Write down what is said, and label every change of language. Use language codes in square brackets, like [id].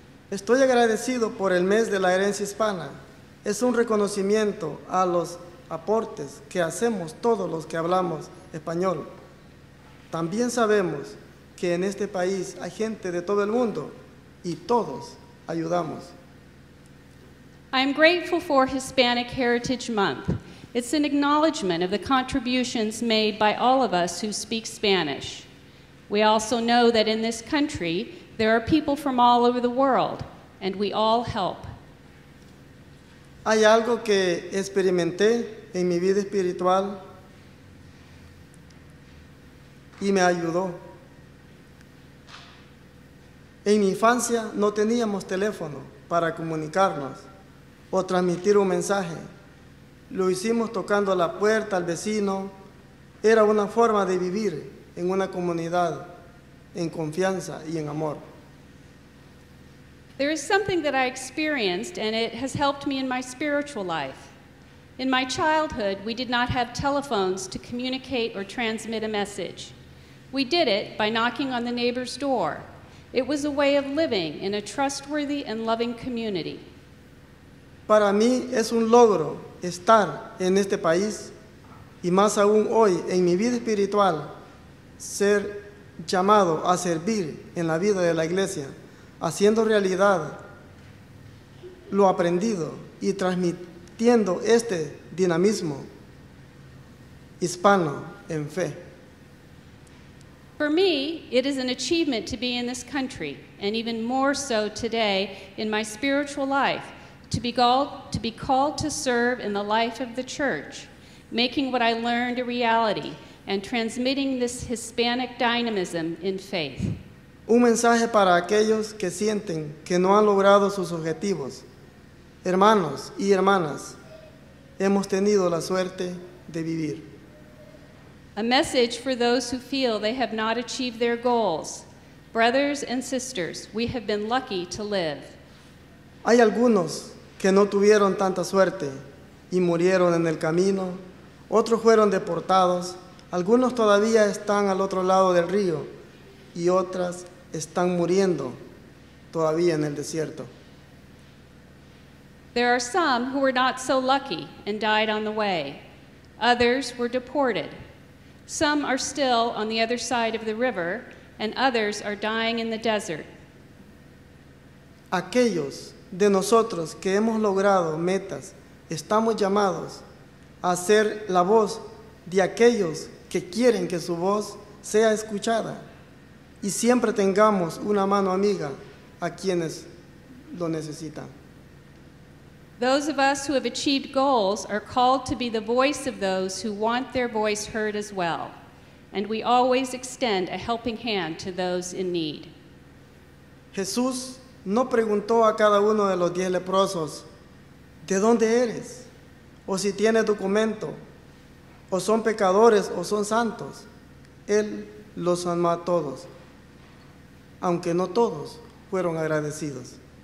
[es] Estoy agradecido por el mes de la herencia hispana. Es un reconocimiento a los aportes que hacemos todos los que hablamos español. También sabemos que en este país hay gente de todo el mundo y todos ayudamos. [en] I am grateful for Hispanic Heritage Month. It's an acknowledgement of the contributions made by all of us who speak Spanish. We also know that in this country, there are people from all over the world, and we all help. [es] Hay algo que experimenté en mi vida espiritual y me ayudó. En mi infancia, no teníamos teléfono para comunicarnos o transmitir un mensaje. Lo hicimos tocando la puerta al vecino. Era una forma de vivir en una comunidad, en confianza y en amor. [en] There is something that I experienced, and it has helped me in my spiritual life. In my childhood, we did not have telephones to communicate or transmit a message. We did it by knocking on the neighbor's door. It was a way of living in a trustworthy and loving community. [es] Para mí es un logro estar en este país y más aún hoy en mi vida espiritual ser llamado a servir en la vida de la iglesia, haciendo realidad lo aprendido y transmitiendo este dinamismo hispano en fe. [en] For me, it is an achievement to be in this country, and even more so today in my spiritual life. To be called to serve in the life of the church, making what I learned a reality, and transmitting this Hispanic dynamism in faith. [es] Un mensaje para aquellos que sienten que no han logrado sus objetivos. Hermanos y hermanas, hemos tenido la suerte de vivir. [en] A message for those who feel they have not achieved their goals. Brothers and sisters, we have been lucky to live. [es] Hay algunos que no tuvieron tanta suerte y murieron en el camino. Otros fueron deportados. Algunos todavía están al otro lado del río y otras están muriendo todavía en el desierto. [en] There are some who were not so lucky and died on the way. Others were deported. Some are still on the other side of the river, and others are dying in the desert. [es] Aquellos de nosotros que hemos logrado metas, estamos llamados a ser la voz de aquellos que quieren que su voz sea escuchada, y siempre tengamos una mano amiga a quienes lo necesitan. [en] Those of us who have achieved goals are called to be the voice of those who want their voice heard as well. And we always extend a helping hand to those in need. [es] Jesús no preguntó a cada uno de los 10 leprosos, ¿de dónde eres? O si tiene documento, o son pecadores o son santos. Él los amó a todos, aunque no todos fueron agradecidos.